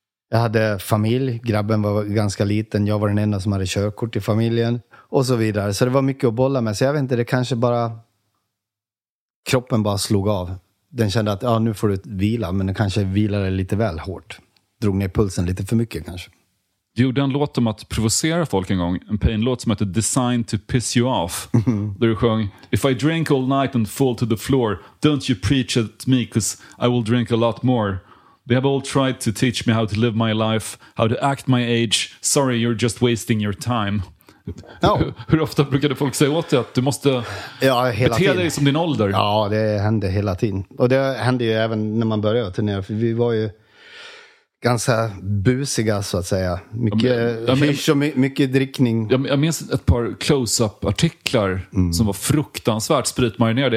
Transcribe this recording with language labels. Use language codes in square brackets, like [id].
[sv] Jag hade familj. Grabben var ganska liten. Jag var den enda som hade körkort i familjen. Och så vidare. Så det var mycket att bolla med. Så jag vet inte, det kanske bara... Kroppen bara slog av. Den kände att nu får du vila, men den kanske vilade lite väl hårt. Drog ner pulsen lite för mycket kanske. Du gjorde en låt om att provocera folk en gång. En Pain-låt som heter Designed to Piss You Off. Där du sjöng, [en] if I drink all night and fall to the floor, don't you preach at me, because I will drink a lot more. They have all tried to teach me how to live my life, how to act my age. Sorry, you're just wasting your time. [sv] Ja. Hur ofta brukade folk säga åt dig att du måste bete dig som din ålder? Ja, det hände hela tiden. Och det hände ju även när man började turnera. För vi var ju ganska busiga, så att säga. Mycket, mycket drickning. Jag minns ett par close-up-artiklar som var fruktansvärt spritmarinerade.